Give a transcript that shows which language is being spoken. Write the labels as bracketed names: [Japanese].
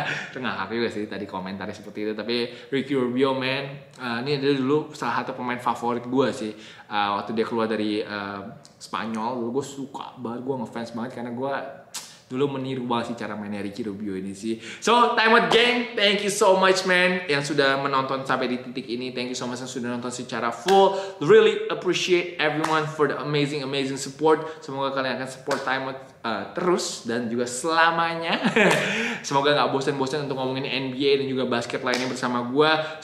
[Indonesian] Tengah aku juga sih tadi komentarnya seperti itu. Tapi Ricky Rubio, man, ini adalah dulu salah satu pemain favorit gue sih. Waktu dia keluar dari Spanyol, dulu gue suka banget, gue ngefans banget karena gue dulu meniru banget sih cara mainnya Ricky Rubio ini sih. [English] So, time out, gang. Thank you so much, man, yang sudah menonton sampai di titik ini. [Indonesian] Thank you so much yang sudah nonton secara full. [English] Really appreciate everyone for the amazing, amazing support. [Indonesian] Semoga kalian akan support time out terus dan juga selamanya. Semoga gak bosan-bosan untuk ngomongin NBA dan juga basket lainnya bersama gue.